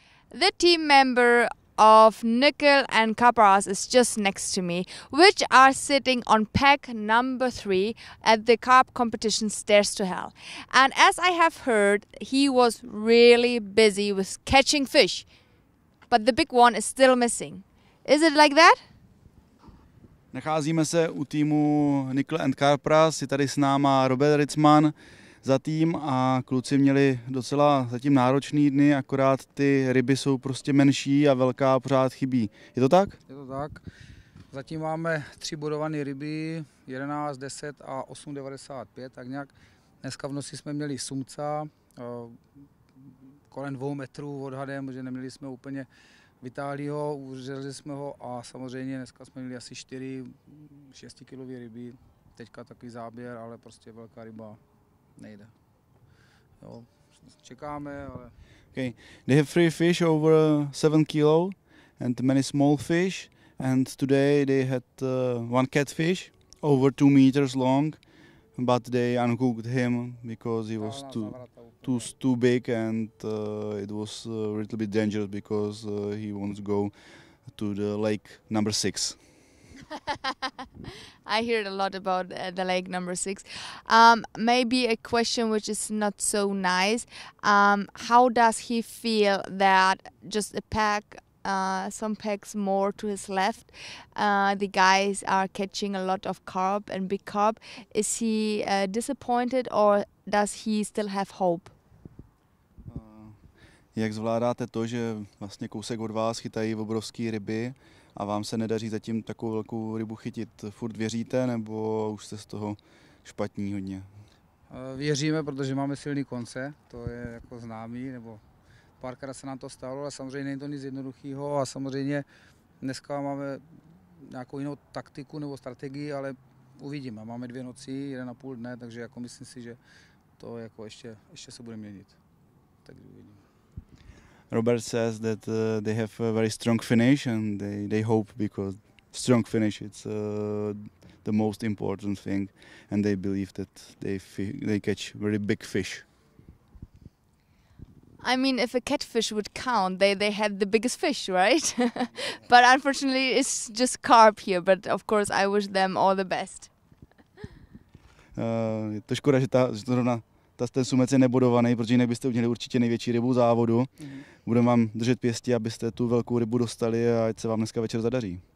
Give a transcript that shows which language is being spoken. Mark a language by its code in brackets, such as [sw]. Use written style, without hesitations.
[en] The team member of Nickel and Copper House is just next to me, which are sitting on pack number 3 at the carp competition Stairs to Hell. And as I have heard, he was really busy with catching fish, but the big one is still missing. Is it like that? [cs] Nacházíme se u týmu Nickel and Copper House. Je tady s náma Robert Ritzman za tým a kluci měli docela zatím náročný dny, akorát ty ryby jsou prostě menší a velká pořád chybí. Je to tak? Je to tak. Zatím máme 3 bodované ryby, 11, 10 a 8,95, tak nějak. Dneska v noci jsme měli sumca, kolem 2 metrů odhadem, že neměli jsme úplně vitálího, uřezali jsme ho a samozřejmě dneska jsme měli asi 4 6-kilové ryby. Teďka takový záběr, ale prostě velká ryba. Nejde. Jo, čekáme, ale... [en] Okay, they have 3 fish over 7 kilo and many small fish, and today they had 1 catfish over 2 meters long, but they unhooked him because he was too big and it was a little bit dangerous because he wants to go to the lake number 6. I heard a lot about the lake number 6. Maybe a question which is not so nice. How does he feel that just a pack, some packs more to his left, the guys are catching a lot of carp and big carp? Is he disappointed or does he still have hope? [cs] Jak zvládáte to, že vlastně kousek od vás chytají obrovské ryby a vám se nedaří zatím takovou velkou rybu chytit? Furt věříte, nebo už jste z toho špatní hodně? Věříme, protože máme silný konce, to je jako známý, nebo párkrát se nám to stalo, ale samozřejmě není to nic jednoduchého a samozřejmě dneska máme nějakou jinou taktiku nebo strategii, ale uvidíme. Máme 2 noci, 1,5 dne, takže jako myslím si, že to jako ještě se bude měnit. Takže uvidíme. [en] Robert says that they have a very strong finish and they hope, because strong finish it's the most important thing, and they believe that they catch very big fish. I mean, if a catfish would count, they had the biggest fish, right? But unfortunately it's just carp here, but of course I wish them all the best. [cs] Je to škoda, že ten sumec je nebodovaný, protože jinak byste měli určitě největší rybu závodu. Mm-hmm. Budeme vám držet pěsti, abyste tu velkou rybu dostali a ať se vám dneska večer zadaří.